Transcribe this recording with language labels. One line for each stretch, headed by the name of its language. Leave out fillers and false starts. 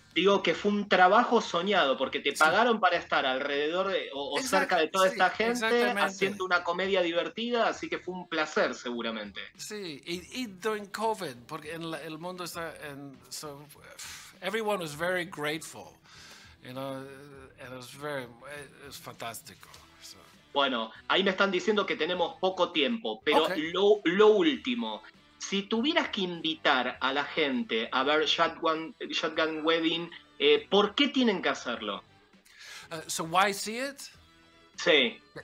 Spanish: Digo que fue un trabajo soñado, porque te pagaron para estar alrededor cerca de toda esta gente haciendo una comedia divertida, así que fue un placer, seguramente. Sí, y
English: during
Spanish: COVID, porque el mundo está en...
English: So, everyone was very grateful, you know, and it was fantástico. So.
Spanish: Bueno, ahí me están diciendo que tenemos poco tiempo, pero okay. lo último... Si tuvieras que invitar a la gente a ver Shotgun Wedding, ¿por qué tienen que hacerlo?
English: So why see it?
Spanish: Sí.